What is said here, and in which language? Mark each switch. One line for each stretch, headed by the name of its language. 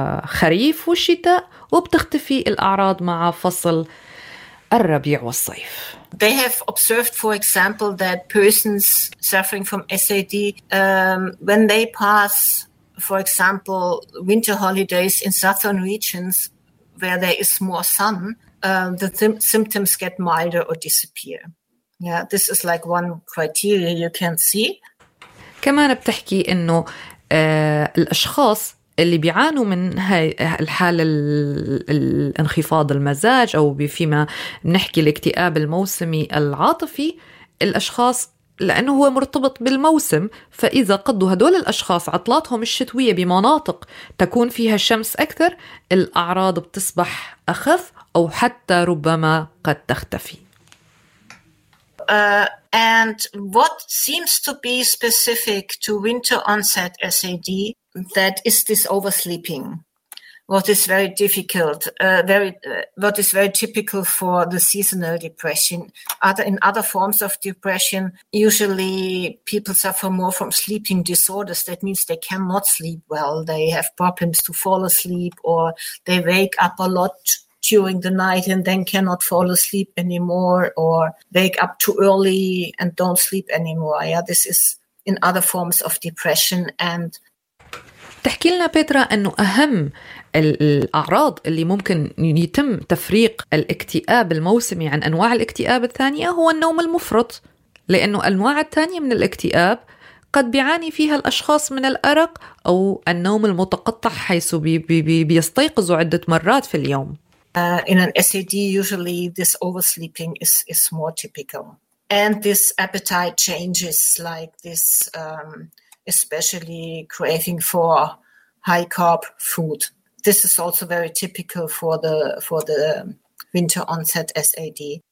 Arabic: خريف وشتاء، وبتختفي الأعراض مع فصل الربيع والصيف.
English: They have observed, for example, that persons suffering from SAD, when they pass, for example, winter holidays in southern regions where there is more sun, the symptoms get milder or disappear. Yeah, this is like one criteria you can see.
Arabic: كمان بتحكي إنه الأشخاص اللي بيعانوا من هاي الحالة الانخفاض المزاج أو فيما نحكي الاكتئاب الموسمي العاطفي، الأشخاص لأنه هو مرتبط بالموسم، فإذا قضوا هدول الأشخاص عطلاتهم الشتوية بمناطق تكون فيها الشمس أكثر، الأعراض بتصبح أخف أو حتى ربما قد تختفي.
English: And what seems to be specific to winter onset SAD, that is this oversleeping, what is very difficult, what is very typical for the seasonal depression. In other forms of depression, usually people suffer more from sleeping disorders. That means they cannot sleep well. They have problems to fall asleep, or they wake up a lot during the night and then cannot fall asleep anymore, or wake up too early and don't sleep anymore. Yeah, this is in other forms of depression. And
Arabic: تحكي لنا بيترا أنه أهم الأعراض اللي ممكن يتم تفريق الاكتئاب الموسمي عن أنواع الاكتئاب الثانية هو النوم المفرط، لأنه أنواع الثانية من الاكتئاب قد بيعاني فيها الأشخاص من الأرق أو النوم المتقطع، حيث بيستيقظوا عدة مرات في اليوم.
English: In an SAD, usually this oversleeping is more typical. And this appetite changes, like this, especially craving for high carb food. This is also very typical for the winter onset SAD.